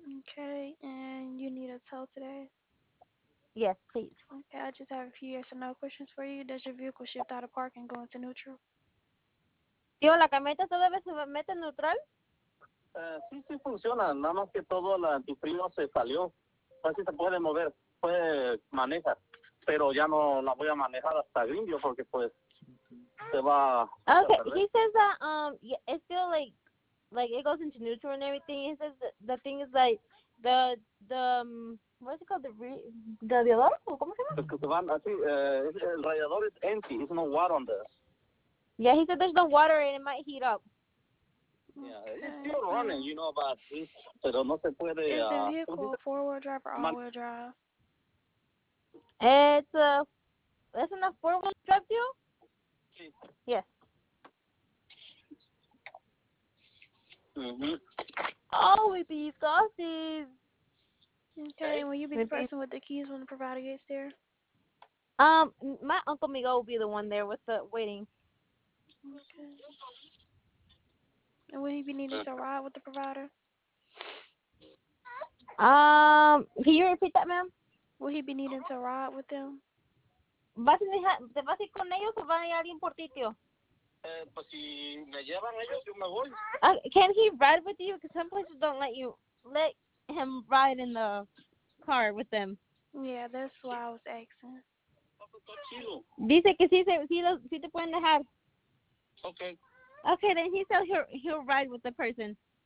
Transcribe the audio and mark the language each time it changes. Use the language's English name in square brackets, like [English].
[English] Okay, and you need a tow today? Yes, please. Okay, I just have a few yes or no questions for you. Does your vehicle shift out of park and go into neutral? [Spanish] Tío, ¿la camioneta todavía se mete en neutral? Sí, funciona. Nada más que todo el antifrío se salió. Así se puede mover, puede manejar. Pero ya no la voy a manejar hasta Grindio porque, pues, se va. [English] Okay, he says that it's still like it goes into neutral and everything. He says the thing is like what's it called? [Spanish] The radiador? ¿Cómo se llama? Es que se van así. El radiador [English] is empty. There's no water on there. Yeah, he said there's no water and it might heat up. Yeah, it's still running, you know, but [Spanish] pero no se puede. [English] Is the vehicle four-wheel drive or all-wheel drive? It's a four-wheel drive, too? Yes. Mm-hmm. Oh, with these glasses. Okay, hey, will you be the person with the keys when the provider gets there? My Uncle Miguel will be the one there with the waiting. Okay. And will he be needing to ride with the provider? Can you repeat that, ma'am? Will he be needing to ride with them? [Spanish] ¿Vas a dejar, te vas a ir con ellos o va a ir alguien por ti, tío? Pues si me llevan ellos, yo me voy. [English] Can he ride with you? Because some places don't let you let him ride in the car with them. Yeah, that's why I was asking. [Spanish] Dice que sí, sí te pueden dejar. [English] Okay. Okay, then he said he'll ride with the person.